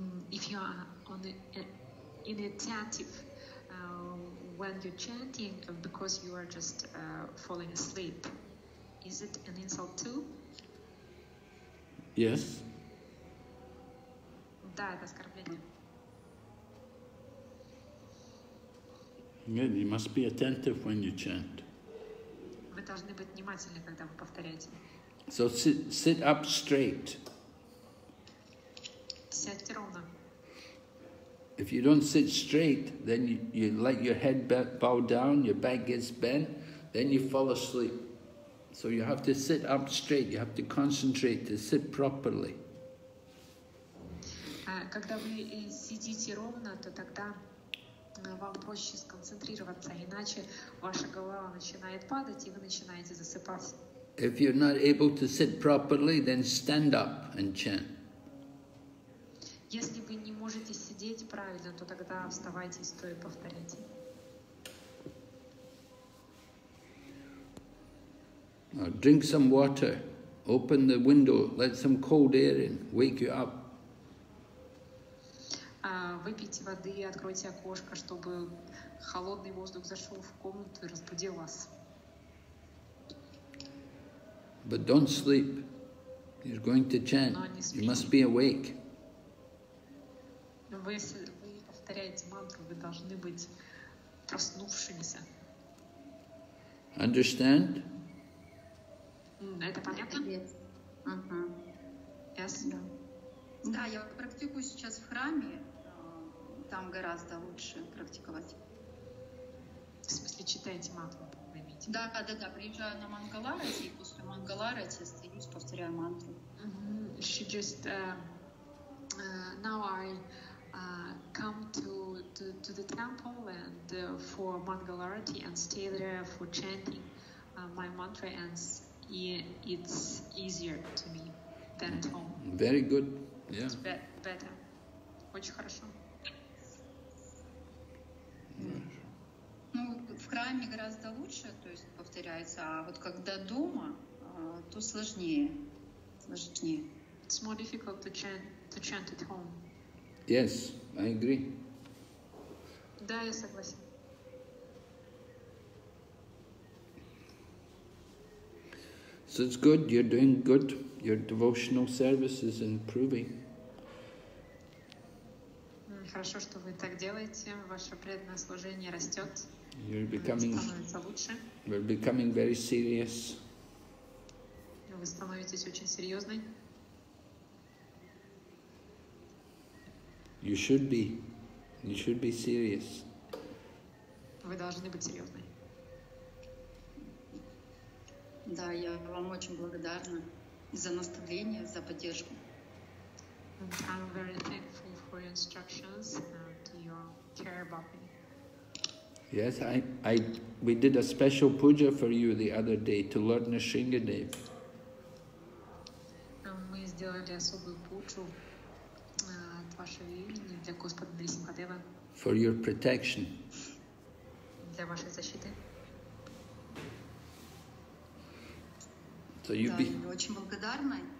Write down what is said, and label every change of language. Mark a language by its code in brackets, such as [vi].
[en] if you are on the initiative when you're chanting because you are just falling asleep, is it an insult too? Yes. [ru] Да, это оскорбление. [en] Yeah, you must be attentive when you chant. [ru] Вы должны быть внимательны, когда вы повторяете. [en] So sit up straight. [ru] Сядьте ровно. [en] If you don't sit straight, then you let your head bow down, your back gets bent, then you fall asleep. So you have to sit up straight, you have to concentrate to sit properly. [ru] Когда вы сидите ровно, то тогда вам проще сконцентрироваться, иначе ваша голова начинает падать, и вы начинаете засыпать. [en] If you're not able to sit properly, then stand up and chant. [ru] Если вы не можете сидеть правильно, то тогда вставайте и стоя повторяйте. [en] Now drink some water, open the window, let some cold air in, wake you up. [ru] Выпейте воды, откройте окошко, чтобы холодный воздух зашел в комнату и разбудил вас. [en] But don't sleep. You're going to chant. You must be awake. [ru] Вы повторяете мантру, вы должны быть проснувшимися. [en] Understand? [ru] Это понятно? [en] Yes. Yes. [ru] Да, я практикую сейчас в храме. Там гораздо лучше практиковать. В смысле, читайте мантру. Да, приезжаю на Мангаларати, и после Мангаларати я остаюсь, повторяю мантру. [en] She just, now I come to the temple and for Mangaларати and stay there for chanting my mantra, and it's easier to me than at home. Very good, yeah. It's better. [ru] Очень хорошо. В храме гораздо лучше, то есть повторяется, а вот когда дома, то сложнее. [en] It's more difficult to chant at home. Yes, I agree. [ru] Да, я согласен. [en] So it's good, you're doing good, your devotional service is improving. [ru] Хорошо, что вы так делаете, ваше преданное служение растет. [en] You're becoming very serious. [ru] Вы становитесь очень серьезной. [en] You should be serious. [ru] Вы должны быть серьезной. Да, я вам очень благодарна за наставление, за поддержку. [en] I'm very thankful for your instructions and your care about me. Yes, we did a special puja for you the other day to learn the Shringadev. [ru] Мы сделали особую пуджу от вашего имени для Господа Нарисимхадева. [en] For your protection. [ru] Для вашей защиты. [en] So you be. [ru] Да, я очень благодарна.